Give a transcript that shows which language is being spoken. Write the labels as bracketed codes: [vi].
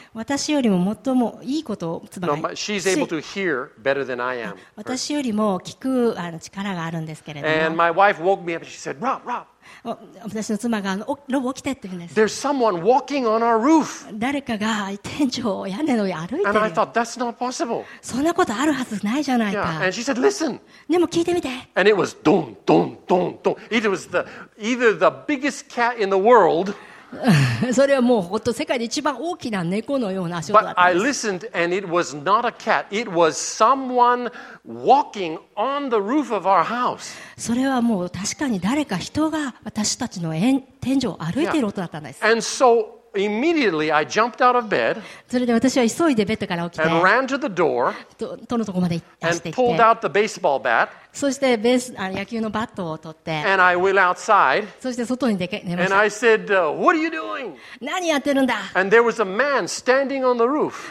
[ja] 私よりも最もいいことを妻が。 [en] No, but she's able to hear better than I am. [ja] 私よりも聞く力があるんですけれども。 [en] And my wife woke me up and she said, Rob, Rob. [ja] 私の妻がロボ起きてって言うんです。 [en] There's someone walking on our roof. [ja] 誰かが天井屋根の上歩いてる。 [en] And I thought that's not possible. [ja] そんなことあるはずないじゃないか。 [en] Yeah. And she said, listen. [ja] でも聞いてみて。 [en] And it was dun dun dun dun. It was the either the biggest cat in the world. [ja] それはもう本当世界で一番大きな猫のような足音だった。 [en] But I listened and it was not a cat. It was someone. Walking on the roof of our house. [ja] それはもう確かに誰か人が私たちの天井を歩いている音だったんです。 [en] And so immediately I jumped out of bed. [ja] それで私は急いでベッドから起きて、 [en] and ran to the door. [ja] とのとこまで走って行って、 [en] and pulled out the baseball bat. [ja] そして野球のバットを取って、 [en] and I went outside. [ja] そして外に出ました。 [en] And I said, "What are you doing?" [ja] 何やってるんだ。 [en] And there was a man standing on the roof.